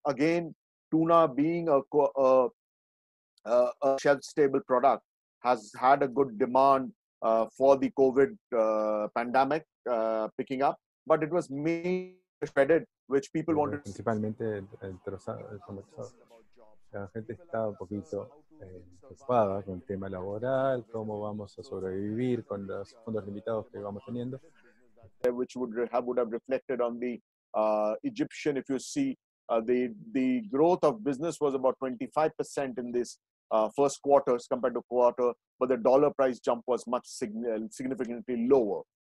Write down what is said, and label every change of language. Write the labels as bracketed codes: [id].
[en] Again, tuna being a shelf-stable product has had a good demand for the COVID pandemic picking up, but it was mainly shredded, which people wanted. [es] Principalmente el trozado, el comercio. La gente está un poquito preocupada con el tema laboral, cómo vamos a sobrevivir con los fondos limitados que vamos teniendo. [en] Which would have reflected on the Egyptian, if you see. The growth of business was about 25% in this first quarter as compared to quarter, but the dollar price jump was much significantly lower.